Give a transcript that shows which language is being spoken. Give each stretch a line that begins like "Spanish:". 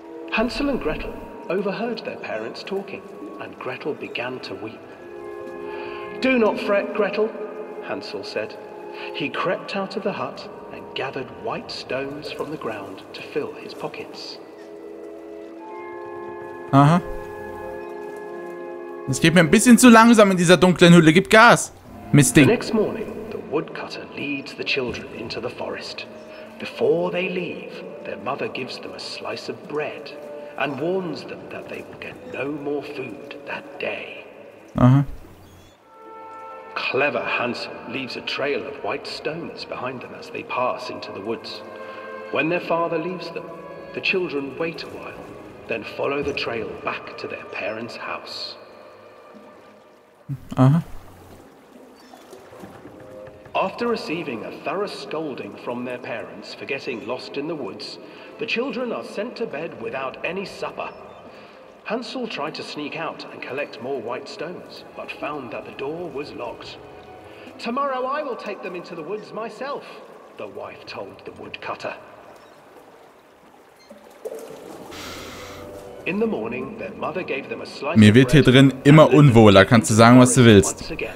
English: Hansel und Gretel overheard their parents talking, and Gretel began to weep. Do not fret, Gretel, Hansel said. He crept out of the hut and gathered white stones from the ground to fill his pockets. Aha.
German: Es geht mir ein bisschen zu langsam in dieser dunklen Hülle. Gib Gas, Mistding.
English: The next morning, woodcutter leads the children into the forest. Before they leave, their mother gives them a slice of bread and warns them that they will get no more food that day. Uh-huh. Clever Hansel leaves a trail of white stones behind them as they pass into the woods. When their father leaves them, the children wait a while, then follow the trail back to their parents' house. Uh-huh. After receiving a thorough scolding from their parents for getting lost in the woods, the children are sent to bed without any supper. Hansel tried to sneak out and collect more white stones, but found that the door was locked. Tomorrow I will take them into the woods myself, the wife told the woodcutter. In the morning, their mother gave them a slice.
German: Mir wird hier drin immer unwohler, kannst du sagen, was du willst.